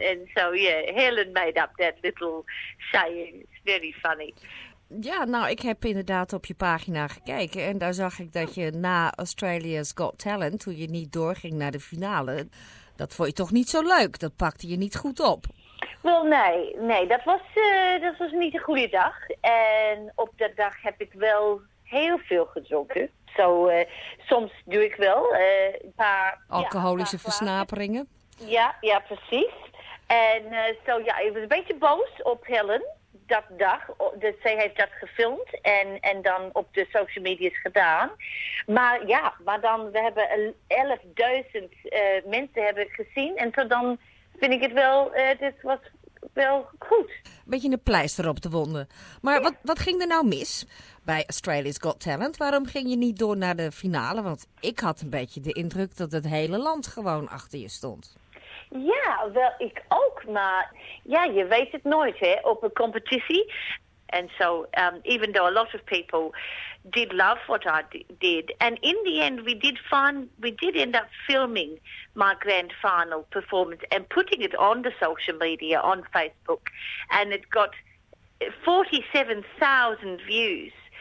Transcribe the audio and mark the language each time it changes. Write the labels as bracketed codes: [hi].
[en] And so, yeah, Helen made up that little saying. It's very funny. [nl] Ja, nou, ik heb inderdaad op je pagina gekeken en daar zag ik dat je na Australia's Got Talent, toen je niet doorging naar de finale, dat vond je toch niet zo leuk? Dat pakte je niet goed op. Wel, nee, dat was niet een goede dag. En op dat dag heb ik wel heel veel gedronken. Zo, soms doe ik wel een paar... Alcoholische versnaperingen. Ja, precies. En zo, ik was een beetje boos op Helen dat dag. Dus zij heeft dat gefilmd en dan op de social media's gedaan. Maar ja, maar dan, we hebben 11.000 mensen hebben gezien. En tot dan vind ik het wel, dit was wel goed. Beetje een pleister op de wonden. Maar ja. Wat ging er nou mis bij Australia's Got Talent? Waarom ging je niet door naar de finale? Want ik had een beetje de indruk dat het hele land gewoon achter je stond. Ja, wel, ik ook, maar ja, je weet het nooit, hè, op een competitie. [en] And so, even though a lot of people did love what I did, and in the end, we did end up filming my grand final performance and putting it on the social media, on Facebook, and it got 47,000 views.